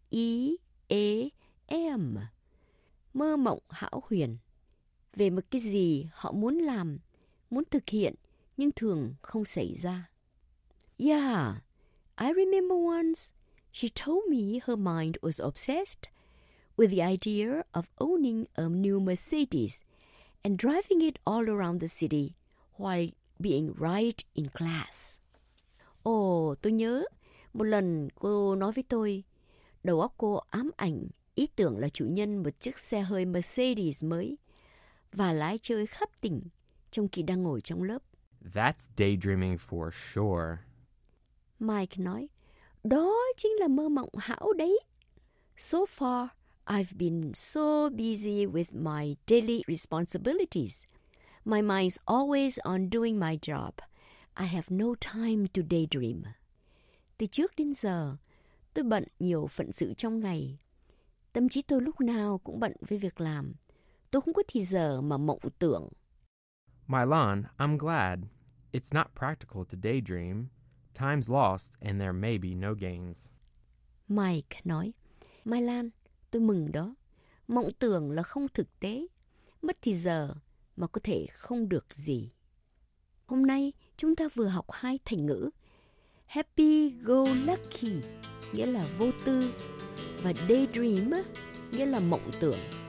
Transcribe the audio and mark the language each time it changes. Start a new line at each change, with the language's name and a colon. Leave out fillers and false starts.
Vietnamese: D-A-Y-D-R-E-A-M. Mơ mộng hão huyền về một cái gì họ muốn làm, muốn thực hiện, nhưng thường không xảy ra.
English: Yeah, I remember once she told me her mind was obsessed with the idea of owning a new Mercedes and driving it all around the city while being right in class.
Vietnamese: Oh, tôi nhớ một lần cô nói với tôi, đầu óc cô ám ảnh ý tưởng là chủ nhân một chiếc xe hơi Mercedes mới và lái chơi khắp tỉnh trong khi đang ngồi trong lớp.
English: That's daydreaming for sure.
Vietnamese: Mike nói, đó chính là mơ mộng hão đấy.
English: So far, I've been so busy with my daily responsibilities. My mind's always on doing my job. I have no time to daydream.
Vietnamese: Từ trước đến giờ, tôi bận nhiều phận sự trong ngày. Tâm trí tôi lúc nào cũng bận với việc làm. Tôi không có thời giờ mà mộng tưởng.
English: Mylon, I'm glad. It's not practical to daydream. Time's lost and there may be no gains.
Vietnamese: Mike nói, Mylon, tôi mừng đó. Mộng tưởng là không thực tế. Mất thì giờ mà có thể không được gì. Hôm nay chúng ta vừa học hai thành ngữ. Happy go lucky nghĩa là vô tư và daydream nghĩa là mộng tưởng.